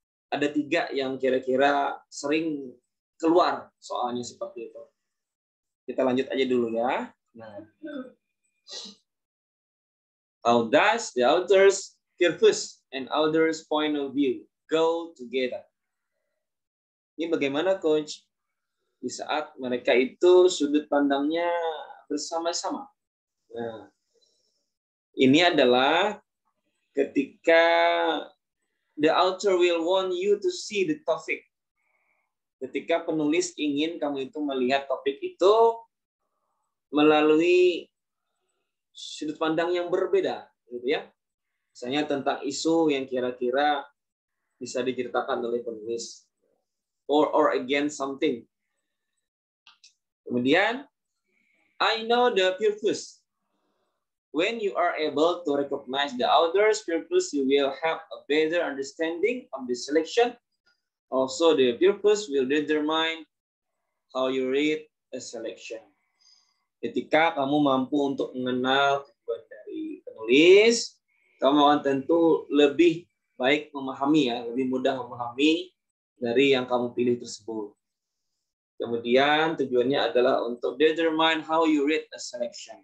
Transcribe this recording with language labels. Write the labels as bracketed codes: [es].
[id] Ada tiga yang kira-kira sering keluar soalnya seperti itu. Kita lanjut aja dulu ya. Nah. [en] How does the author's purpose and author's point of view go together? [id] Ini bagaimana, Coach? Di saat mereka itu sudut pandangnya bersama-sama. Nah. Ini adalah ketika [en] the author will want you to see the topic. [id] Ketika penulis ingin kamu itu melihat topik itu melalui sudut pandang yang berbeda, gitu ya. Misalnya tentang isu yang kira-kira bisa diceritakan oleh penulis, [en] or against something. [id] Kemudian, [en] I know the purpose. When you are able to recognize the author's purpose, you will have a better understanding of the selection. Also, the purpose will determine how you read a selection. [id] Ketika kamu mampu untuk mengenal tujuan dari penulis, kamu akan tentu lebih baik memahami, ya, lebih mudah memahami dari yang kamu pilih tersebut. Kemudian tujuannya adalah untuk [en] determine how you read a selection.